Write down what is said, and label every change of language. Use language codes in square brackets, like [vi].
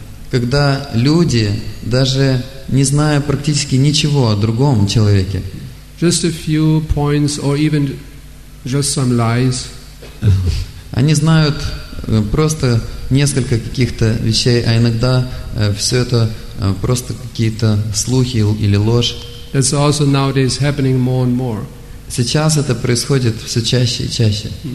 [ru] когда люди, даже не зная практически ничего о другом человеке, [en] just a few points or even just some lies. [ru] Они знают просто несколько каких-то вещей, а иногда все это просто какие-то слухи или ложь. [en] It's also nowadays happening more and more. [ru] Сейчас это происходит все чаще и чаще.